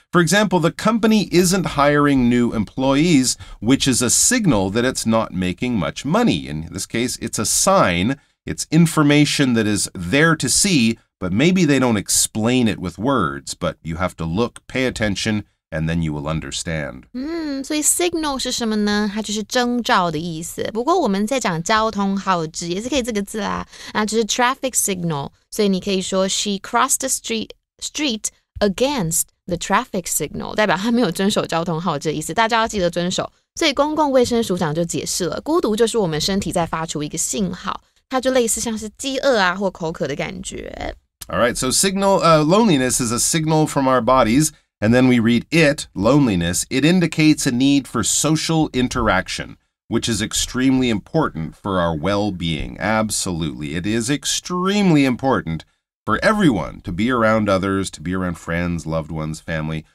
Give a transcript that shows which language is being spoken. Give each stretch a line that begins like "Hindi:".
English: For example, the company isn't hiring new employees, which is a signal that it's not making much money. In this case, it's a sign. It's information that is there to see, but maybe they don't explain it with words, but you have to look, pay attention,And then you will understand.
Chinese: 所以 signal 是什么呢？它就是征兆的意思。不过我们在讲交通号志，也是可以这个字啦。那就是 traffic signal。所以你可以说
English: she crossed the street against the traffic signal，
Chinese: 代表她没有遵守交通号志的意思。大家要记得遵守。所以公共卫生署长就解释了，孤独就是我们身体在发出一个信号，它就类似像是饥饿啊或口渴的感觉。
English: All right, so loneliness is a signal from our bodies. And then we read it, loneliness, it indicates a need for social interaction, which is extremely important for our well-being. Absolutely. It is extremely important for everyone to be around others, to be around friends, loved ones, family.